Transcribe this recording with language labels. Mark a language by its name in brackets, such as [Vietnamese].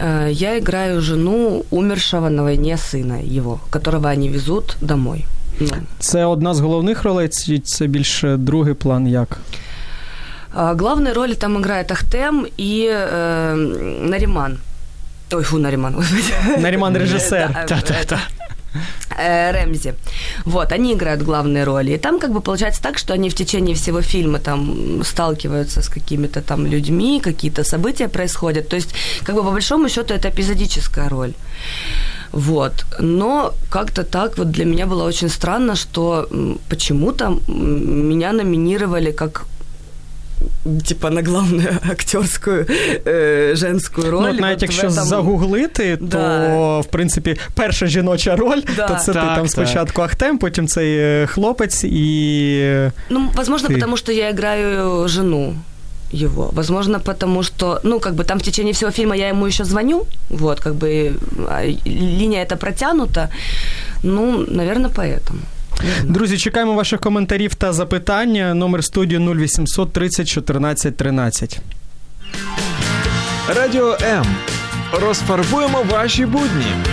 [Ukrainian] Я граю жену умершого на війні сина його, которого вони везуть домой. Це одна з головних ролей, чи це більше другий план, як? [Russian] Главную роль там играет Ахтем и Нариман. Ой, фу, Нариман. Нариман режиссер. [Ukrainian] Так, так, так. [Russian] Рэмзи. Вот, они играют главные роли. И там как бы получается так, что они в течение всего фильма там сталкиваются с какими-то там людьми, какие-то события происходят. То есть как бы по большому счету это эпизодическая роль. Вот, но как-то так вот для меня было очень странно, что почему-то меня номинировали как, типа, на главную актерскую женскую роль. Ну, вот, [Ukrainian] навіть якщо этом... загуглити, то, в принципі, перша жіноча роль, то це так, ти там спочатку Ахтем, потім цей хлопець і... [Russian] Ну, возможно, потому что я играю жену. Его. Возможно, потому что, ну, как бы там в течение всего фильма я ему еще звоню, вот, как бы линия эта протянута, ну, наверное, поэтому. [Ukrainian] Друзі, чекаємо ваших коментарів та запитання. Номер студії 0800 30 14 13. Радіо М. Розфарбуємо ваші будні.